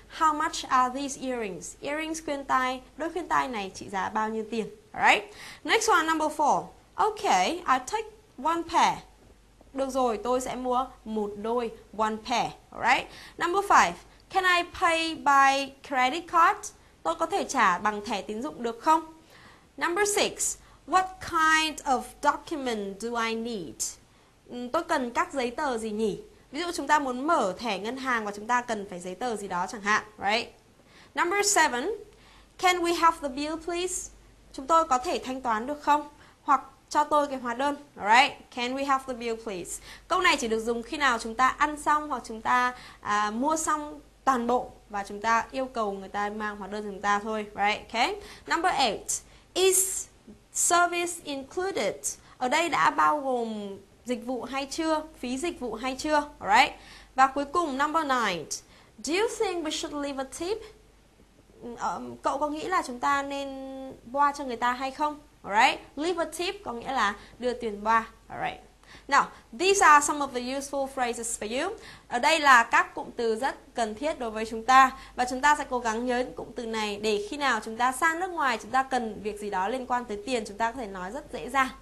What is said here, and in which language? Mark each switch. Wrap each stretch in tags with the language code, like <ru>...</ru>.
<en>How much are these earrings?</en> <vi>Earrings, khuyên tai, đôi khuyên tai này trị giá bao nhiêu tiền? Alright?</vi> <en>Next one, number four. Okay, I'll take one pair.</en> <vi>Được rồi, tôi sẽ mua một đôi, one pair, alright?</vi> <en>Number five, can I pay by credit card?</en> <vi>Tôi có thể trả bằng thẻ tín dụng được không?</vi> <en>Number six, what kind of document do I need?</en> <vi>Tôi cần các giấy tờ gì nhỉ? Ví dụ chúng ta muốn mở thẻ ngân hàng và chúng ta cần phải giấy tờ gì đó chẳng hạn, right?</vi> <en>Number seven, can we have the bill please?</en> <vi>Chúng tôi có thể thanh toán được không? Hoặc cho tôi cái hóa đơn, alright?</vi> <en>Can we have the bill please?</en> <vi>Câu này chỉ được dùng khi nào chúng ta ăn xong hoặc chúng ta mua xong toàn bộ và chúng ta yêu cầu người ta mang hóa đơn cho chúng ta thôi, right? Okay. Number 8.</vi> <en>Is service included?</en> <vi>Ở đây đã bao gồm dịch vụ hay chưa? Phí dịch vụ hay chưa? Alright? Và cuối cùng, number 9.</vi> <en>Do you think we should leave a tip?</en> <vi>Cậu có nghĩ là chúng ta nên boa cho người ta hay không? Alright, leave a tip có nghĩa là đưa tiền boa.</vi> <en>Alright, now these are some of the useful phrases for you.</en> <vi>Ở đây là các cụm từ rất cần thiết đối với chúng ta và chúng ta sẽ cố gắng nhớ những cụm từ này để khi nào chúng ta sang nước ngoài chúng ta cần việc gì đó liên quan tới tiền chúng ta có thể nói rất dễ dàng.</vi>